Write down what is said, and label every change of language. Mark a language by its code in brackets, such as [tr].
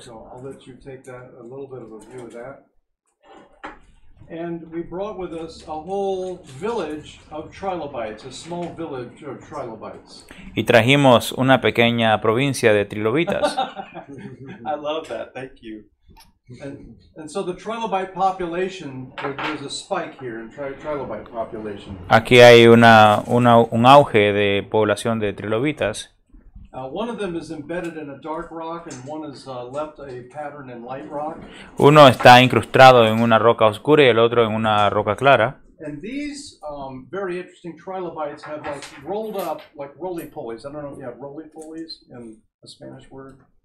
[en] So I'll let you take that, a little bit of a view of that. And we brought with us a whole village of trilobites, a small village of trilobites. [es] Y trajimos una pequeña provincia de trilobitas. [en] I love that. Thank you. And so the trilobite population, there's a spike here in trilobite population. [es] Aquí hay un auge de población de trilobitas. [en] One of them is embedded in a dark rock, and one is left a pattern in light rock. [es] Uno está incrustado en una roca oscura y el otro en una roca clara. [en] And these very interesting trilobites have like rolled up like roly polies. I don't know if you have roly polies in a Spanish word.